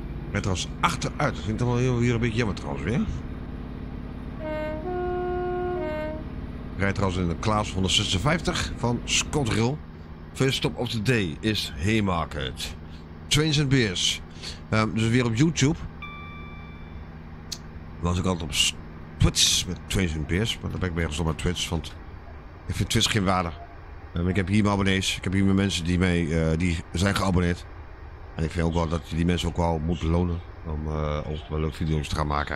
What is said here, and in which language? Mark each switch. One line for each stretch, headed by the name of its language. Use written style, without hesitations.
Dutch: Met als achteruit. Dat vind ik dan wel hier een beetje jammer trouwens weer. Rijdt trouwens in de Klaas 156 van ScotRail.
English: First stop of the day is Haymarket.
Dutch: Trains and Beers. Dus weer op YouTube. Was ik altijd op Twitch met Trains and Beers. Maar daar ben ik meer gestopt met Twitch. Want ik vind Twitch geen waarde. Ik heb hier mijn abonnees. Ik heb hier mijn mensen die mij die zijn geabonneerd. En ik vind ook wel dat je die mensen ook wel moet belonen om ook wel leuke video's te gaan maken.